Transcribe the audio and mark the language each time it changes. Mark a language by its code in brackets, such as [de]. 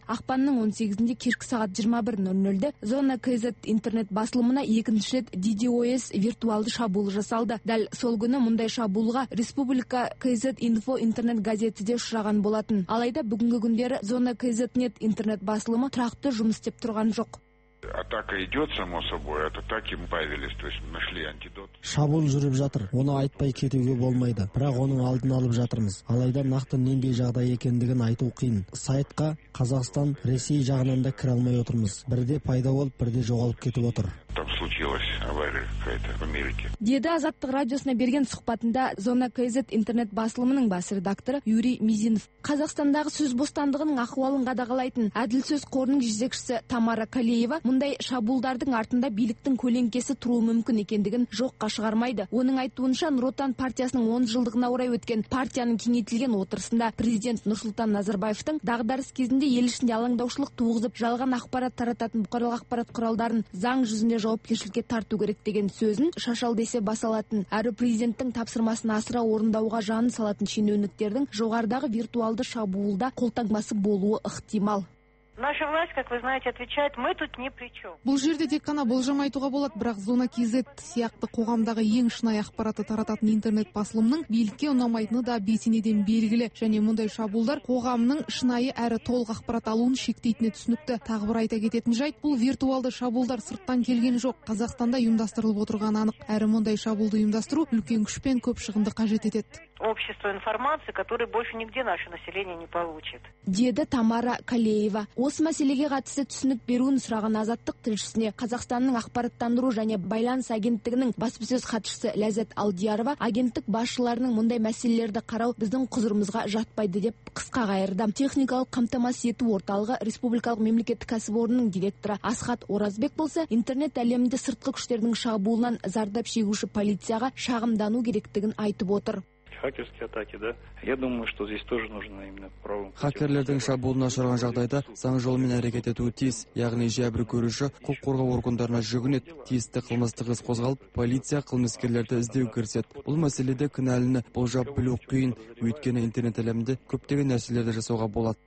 [kk] Ақпанның 18-інде кешкі сағат 21:00-де Зона KZNet интернет басылымына екінші рет DDoS виртуалды шабуыл жасалды. Дәл сол күні мұндай шабуылға Республика KZNet Info интернет газеті де ұшыраған болатын. Алайда бүгінгі күндері Зона KZNet интернет басылымы тұрақты жұмыс істеп тұрған жоқ. [ru] Атака идет, само собой, от атаки мы появились, то есть нашли антидот. [kk] Шабуыл жүріп жатыр, оны айтпай кетуге болмайды, бірақ оның алдын алып жатырмыз. Алайда нақты нендей жағдай екендігін айту қиын. Сайтқа Қазақстан, Ресей жағынан да кіре алмай отырмыз. Бірде пайда болып, бірде жоғалып кетіп отыр. [ru] Там случилось. [kk] Деді Азаттық радиосына берген сұхбатында Зона KZNet интернет басылымының бас редакторы Юрий Мизинов. Қазақстандағы сөз бостандығының ахуалын қадағалайтын әділ сөз қорының жетекшісі Тамара Калеева мұндай шабуылдардың артында биліктің көлеңкесі тұруы мүмкін екендігін жоққа шығармайды. Оның айтуынша Нұр Отан партиясының 10 жылдығына орай өткен партияның кеңейтілген отырысында президент Нұрсұлтан Назарбаевтың дағдарыс кезінде ел ішінде алаңдаушылық туғызып, жалған ақпарат тарататын бұқаралық ақпарат құралдарын заң жүзінде жауапкершілікке тарту керек деген сөзін шашал десе басалатын, әрі президенттің тапсырмасын асыра орындауға жанын салатын шенеуніктердің жоғарыдағы виртуалды шабуылда қолтаңбасы болуы ықтимал. [ru] Наша власть, как вы знаете, отвечает: мы тут ни при чем. [kk] Бұл жерде тек қана болжам айтуға болады, бірақ Зона KZNet сияқты қоғамдағы ең шынайы ақпаратты тарататын интернет басылымның билікке ұнамайтыны да бесенеден белгілі, және мұндай шабуылдар қоғамның шынайы әрі толық ақпарат алуын шектейтіні түсінікті. Тағы бір айта кететін жайт, бұл виртуалды шабуылдар сырттан келген жоқ, Қазақстанда ұйымдастырылып отырғаны анық. Әрі мұндай шабуылды ұйымдастыру үлкен күш пен көп шығынды қажет етеді. [ru] Общество информации, которое больше нигде наше население не получит. [kk] Деді Тамара Калеева. Осы мәселеге қатысты түсінік беруін сұраған Азаттық тілшісіне Қазақстанның ақпараттандыру және байланыс агенттігінің баспасөз хатшысы Ләззат Алдиярова агенттік басшыларының мұндай мәселелерді қарау біздің құзырымызға жатпайды деп қысқа қайырды. Техникалық қамтамасыз ету орталығы Республикалық мемлекеттік кәсіпорнының директоры Асхат Оразбек болса, интернет әлемінде сыртқы күштердің шабуылынан зардап шегуші полицияға шағымдану керектігін айтып отыр. [ru] хакерские атаки, да? Я думаю, что здесь тоже нужно именно право. [kk] Хакерлердің шабуылына ұшыраған жағдайда заң жолымен әрекет етуі тиіс. Яғни жәбір көруші құқық қорғау органдарына жүгінеді, тиісті қылмыстық іс қозғалып, полиция қылмыскерлерді іздеу кіріседі. Бұл мәселеде кінәліні болжап білу қиын, өйткені интернет әлемінде көптеген нәрселерді жасауға болады.